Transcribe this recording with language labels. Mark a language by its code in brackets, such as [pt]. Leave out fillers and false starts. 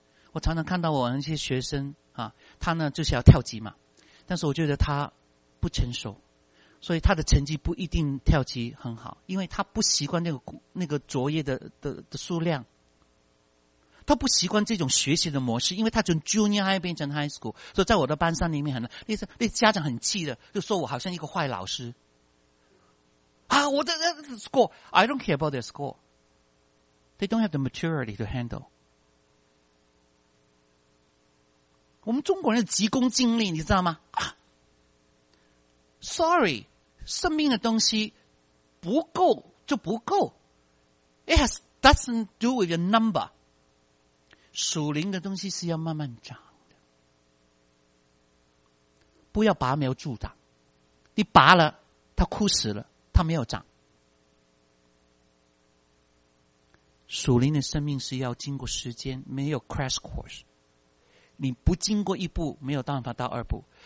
[zh] 我常常看到我那些学生啊，他呢就是要跳级嘛，但是我觉得他不成熟，所以他的成绩不一定跳级很好，因为他不习惯那个作业的数量，他不习惯这种学习的模式，因为他从 junior high 变成 high school， 所以在我的班上里面很，那家长很气的，就说我好像一个坏老师。 [en] 啊，我的 score， I don't care about their score， they don't have the maturity to handle。 [zh] 我们中国人急功近利，你知道吗？啊 ，Sorry， 生命的东西不够就不够 ， It has doesn't do with your number。属灵的东西是要慢慢长的，不要拔苗助长，你拔了它枯死了，它没有长。属灵的生命是要经过时间，没有 crash course， 你不经过一步没有办法到二步。